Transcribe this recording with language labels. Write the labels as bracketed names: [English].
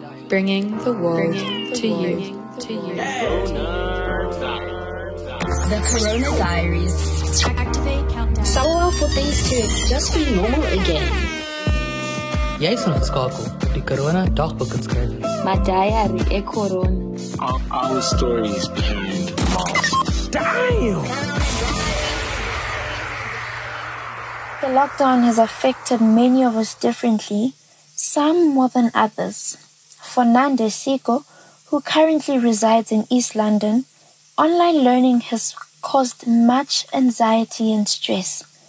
[English] bringing the world to you. The Corona Diaries. Activate countdown. Sal wel for things to just be normal again. [Afrikaans] Jy is ingeskakel op die Corona dagboek en skryf. [English] My diary is Corona. Our stories behind masks. Damn! The lockdown has affected many of us differently, some more than others. Fernando Seco, who currently resides in East London, online learning has caused much anxiety and stress.